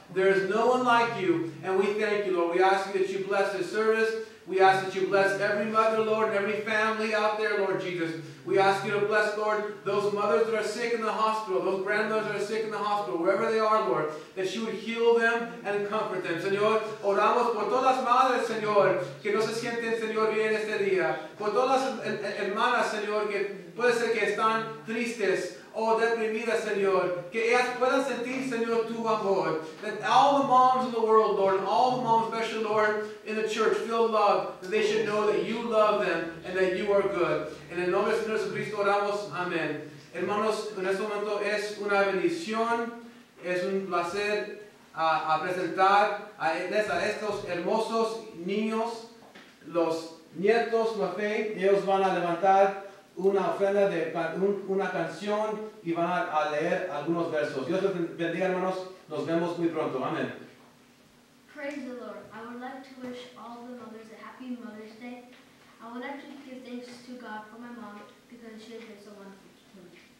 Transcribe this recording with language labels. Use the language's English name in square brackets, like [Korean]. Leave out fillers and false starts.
[English] There is no one like you, and we thank you, Lord. We ask you that you bless this service. We ask that you bless every mother, Lord, and every family out there, Lord Jesus. We ask you to bless, Lord, those mothers that are sick in the hospital, those grandmothers that are sick in the hospital, wherever they are, Lord, that you would heal them and comfort them. [Spanish] Señor, oramos por todas las madres, Señor, que no se sienten, Señor, bien este día. Por todas las hermanas, Señor, que puede ser que están tristes o deprimidas, Señor, que ellas puedan sentir, Señor, tu amor. [English] That all the moms in the world, Lord, and all the moms, especially, Lord, in the church, feel love, that they should know that you love them and that you are good. [Spanish] En el nombre de Señor Jesucristo oramos, amén. Hermanos, en este momento es una bendición, es un placer a presentar a estos hermosos niños, los nietos, la fe, ellos van a levantar una ofrenda de una canción y van a leer algunos versos. Dios les bendiga, hermanos. Nos vemos muy pronto. Amén. [English] Praise the Lord. I would like to wish all the mothers a happy Mother's Day. I would like to give thanks to God for my mom because she has been so wonderful to me.